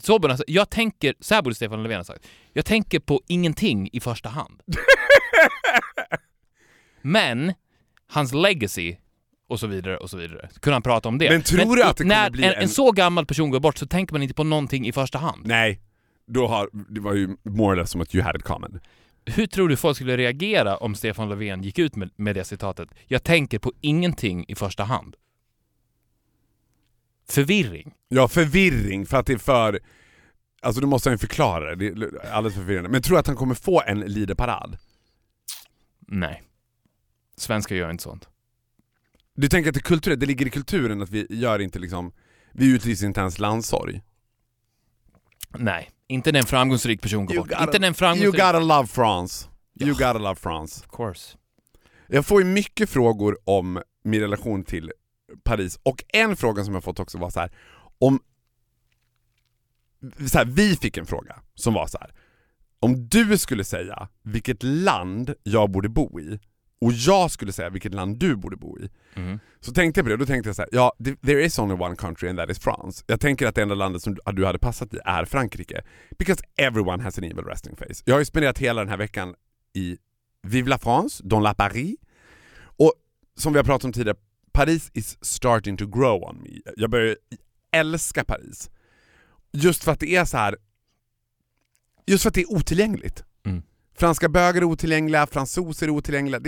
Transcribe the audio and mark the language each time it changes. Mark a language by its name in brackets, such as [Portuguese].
[Swedish] Så borde jag tänker, så här borde Stefan Löfven ha sagt. Jag tänker på ingenting i första hand. Men hans legacy och så vidare och så vidare. Kunde han prata om det? Men tror du att det kommer bli en så gammal person går bort så tänker man inte på någonting i första hand? Nej. Det var ju [English] more or less [Swedish] som att [English] you had it coming. [Swedish] Hur tror du folk skulle reagera om Stefan Löfven gick ut med det citatet? Jag tänker på ingenting i första hand. Förvirring. Ja, förvirring. För att det är för... Alltså du måste ju förklara det. Det är alldeles förvirrande. Men tror du att han kommer få en liderparad? Nej. Svenska gör inte sånt. Du tänker att det ligger i kulturen att vi gör inte liksom... Vi utlyser inte ens landsorg. Nej. Inte när en framgångsrik person går bort. Inte när en framgångsrik... [English] You gotta love France. You gotta love France. Of course. [Swedish] Jag får ju mycket frågor om min relation till Paris. Och en fråga som jag fått också var så här. Om... Så här, vi fick en fråga som var så här. Om du skulle säga vilket land jag borde bo i. Och jag skulle säga vilket land du borde bo i. Så tänkte jag på det. Då tänkte jag så här. [English] Ja, there is only one country and that is France. [Swedish] Jag tänker att det enda landet som du hade passat i är Frankrike. [English] Because everyone has an evil resting face. [Swedish] Jag har ju spenderat hela den här veckan i [French] Vive la France, dans la Paris. [Swedish] Och som vi har pratat om tidigare, Paris [English] is starting to grow on me. [Swedish] Jag börjar älska Paris. Just för att det är så här. Just för att det är otillgängligt. Franska böger är otillgängliga, fransoser är otillgängliga.